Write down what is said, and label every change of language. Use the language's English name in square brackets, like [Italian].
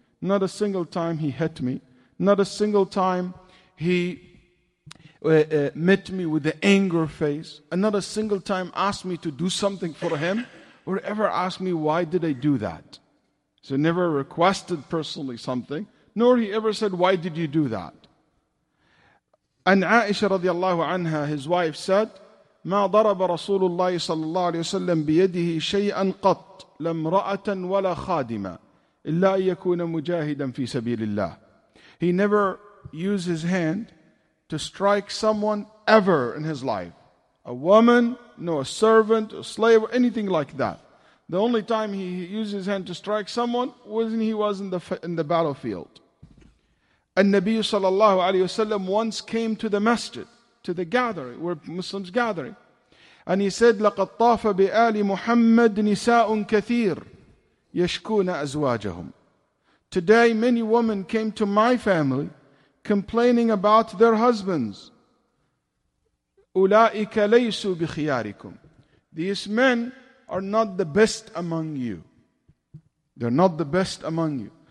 [English] Not a single time he hit me. Not a single time he met me with the anger face, and not a single time asked me to do something for him, or ever asked me why did I do that. So never requested personally something, nor he ever said, why did you do that? And Aisha radiallahu anha, his wife, said, [Arabic] مَا ضَرَبَ رَسُولُ اللَّهِ صَلَّى اللَّهُ عَلَيْهِ وَسَلَّمْ بِيَدِهِ شَيْئًا قَطْ لَمْ رَأَةً وَلَا خَادِمًا إِلَّا يَكُونَ مُجَاهِدًا فِي سَبِيلِ اللَّهِ. [English] He never use his hand to strike someone ever in his life. A woman, no, a servant, a slave, anything like that. The only time he used his hand to strike someone was when he was in the battlefield. And Nabi sallallahu alayhi wa sallam once came to the masjid, to the gathering, where Muslims gathering. And he said, [Arabic] لَقَدْ طَافَ بِآلِ مُحَمَّدٍ نِسَاءٌ كَثِيرٌ يَشْكُونَ أَزْوَاجَهُمْ. [English] Today, many women came to my family complaining about their husbands. [Arabic] أُولَٰئِكَ لَيْسُوا بِخِيَارِكُمْ. [English] These men are not the best among you. They're not the best among you.